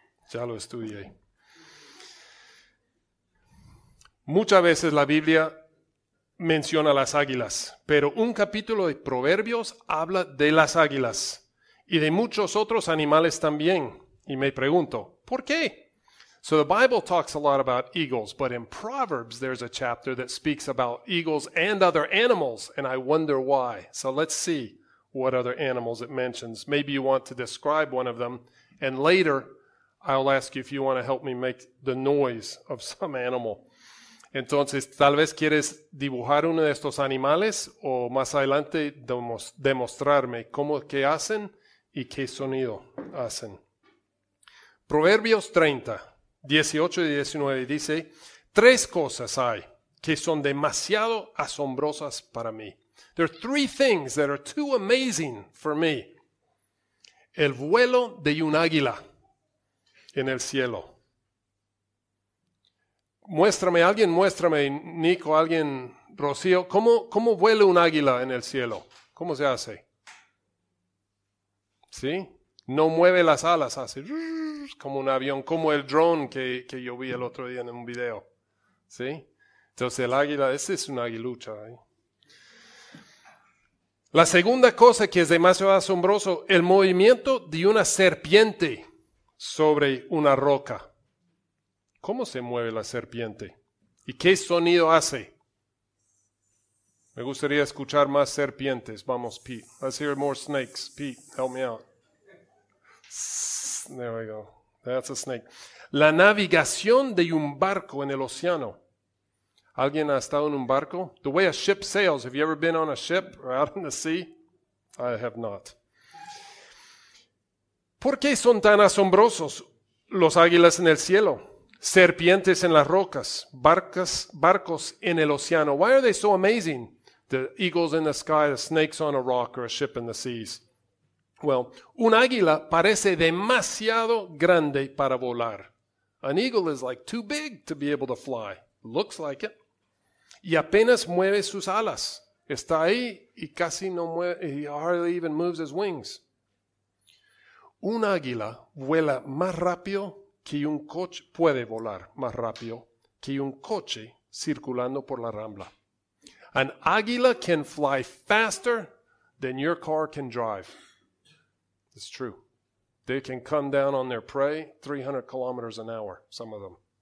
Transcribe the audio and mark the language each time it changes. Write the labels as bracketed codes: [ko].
[es] Ya lo estudié. Muchas veces la Biblia menciona las águilas, pero un capítulo de Proverbios habla de las águilas y de muchos otros animales también. Y me pregunto, ¿por qué? [en] So the Bible talks a lot about eagles, but in Proverbs there's a chapter that speaks about eagles and other animals, and I wonder why. So let's see what other animals it mentions. Maybe you want to describe one of them, and later I'll ask you if you want to help me make the noise of some animal. [es] Entonces, tal vez quieres dibujar uno de estos animales o más adelante demostrarme cómo qué hacen y qué sonido hacen. Proverbios 30, 18 y 19 dice, tres cosas hay que son demasiado asombrosas para mí. [en] There are three things that are too amazing for me. [es] El vuelo de un águila en el cielo. Muéstrame, alguien, muéstrame, Nico, alguien, Rocío, ¿cómo vuela un águila en el cielo? ¿Cómo se hace? ¿Sí? No mueve las alas, hace como un avión, como el drone que yo vi el otro día en un video. ¿Sí? Entonces el águila, ese es un aguilucha, ¿eh? La segunda cosa que es demasiado asombroso, el movimiento de una serpiente sobre una roca. ¿Cómo se mueve la serpiente? ¿Y qué sonido hace? Me gustaría escuchar más serpientes. Vamos, Pete. [en] Let's hear more snakes. Pete, help me out. There we go. That's a snake. [es] La navegación de un barco en el océano. ¿Alguien ha estado en un barco? [en] The way a ship sails. Have you ever been on a ship or out in the sea? I have not. [es] ¿Por qué son tan asombrosos los águilas en el cielo? Serpientes en las rocas, barcos en el océano. [en] Why are they so amazing? The eagles in the sky, the snakes on a rock, or a ship in the seas. [es] Well, un águila parece demasiado grande para volar. [en] An eagle is like too big to be able to fly. Looks like it. [es] Y apenas mueve sus alas. Está ahí y casi no mueve. [en] He hardly even moves his wings. [es] Un águila vuela más rápido que un coche. Puede volar más rápido que un coche circulando por la rambla. [en] An águila can fly faster than your car can drive. It's true. They can come down on their prey 300 kilometers an hour, some of them.